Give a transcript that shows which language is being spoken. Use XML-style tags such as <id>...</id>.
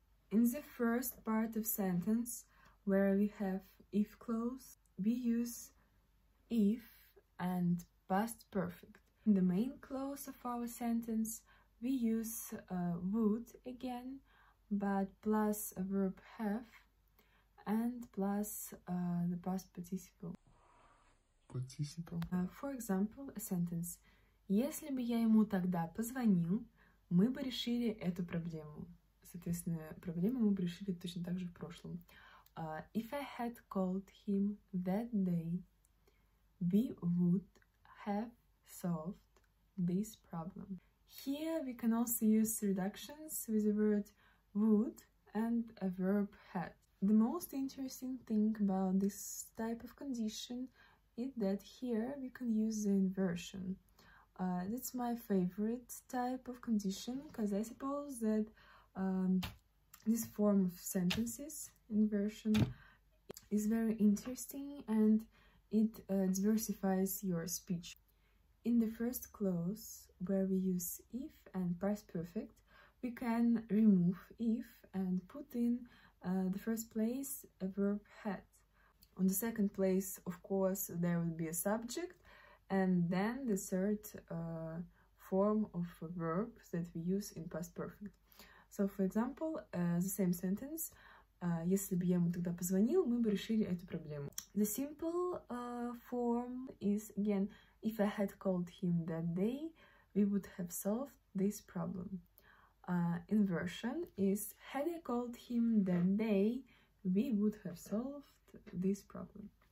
<en>In the first part of sentence, where we have if clause, we use if and past perfect. In the main clause of our sentence, we use would again, but plus a verb have and plus the past participle. Participle. For example, a sentence.</en> <ru>Если бы я ему тогда позвонил, мы бы решили эту проблему. Соответственно, проблему мы бы решили точно так же в прошлом.</ru> <en>If I had called him that day, we would have solved this problem. Here we can also use reductions with the word would and a verb had. The most interesting thing about this type of condition is that here we can use the inversion. That's my favorite type of condition, because I suppose that this form of sentences, inversion, is very interesting and it diversifies your speech. In the first clause, where we use if and past perfect, we can remove if and put in the first place a verb had. On the second place, of course, there will be a subject, and then the third form of a verb that we use in past perfect. So, for example, the same sentence.</en> <ru>Если бы я ему тогда позвонил, мы бы решили эту проблему.</ru> <en>The simple form is, again, if I had called him that day, we would have solved this problem. Inversion is, had I called him that day, we would have solved this problem.</en>